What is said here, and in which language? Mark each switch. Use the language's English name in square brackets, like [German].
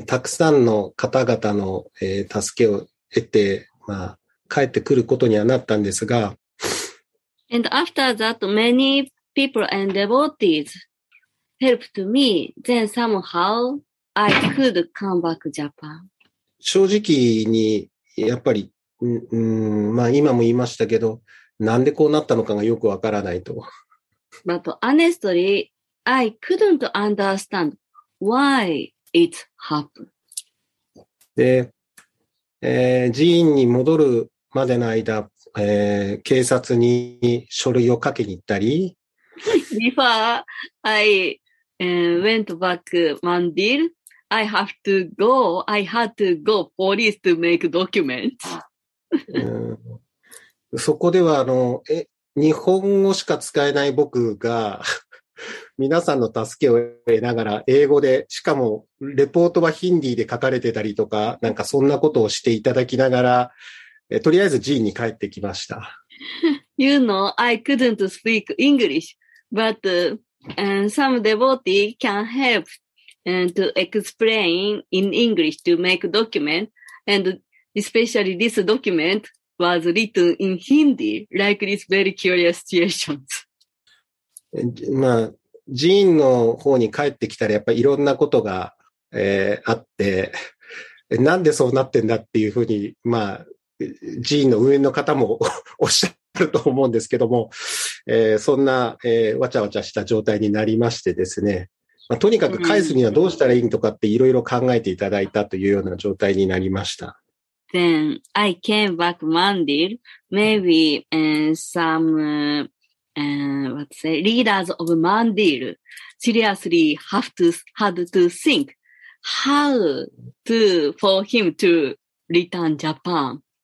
[Japanese] たくさんの方々の、助けを得て、まあ、帰ってくることにはなったんですが。 [English] And after that, many people and devotees helped me. Then somehow, I could come back to Japan. [Japanese] 正直に、やっぱり、まあ今も言いましたけど、なんでこうなったのかがよくわからないと。 [English] But honestly, I couldn't understand why it happened. [Japanese] で、寺院に戻るまでの間、警察に書類をかけに行ったり。 [English] Before I went back Mandir,I had to go police to make documents. [Japanese] そこでは日本語しか使えない僕が皆さんの助けを得ながら英語で、しかもレポートはヒンディーで書かれてたりとか、なんかそんなことをしていただきながら、とりあえず寺院に帰ってきました。 [English] You know, I couldn't speak English, but some devotee can helpAnd to explain in English to make a document, and especially this document was written in Hindi, like this very curious situation. [Japanese] まあ、寺院の方に帰ってきたら、やっぱりいろんなことが、あって、なんでそうなってんだっていうふうに、まあ、寺院の運営の方もおっしゃると思うんですけども、そんな、わちゃわちゃした状態になりましてですね。まあ、とにかく返すにはどうしたらいいとかっていろいろ考えていただいたというような状態になりました。 [English] Then I came back Mandir, maybe leaders of Mandir seriously had to think how to for him to return Japan.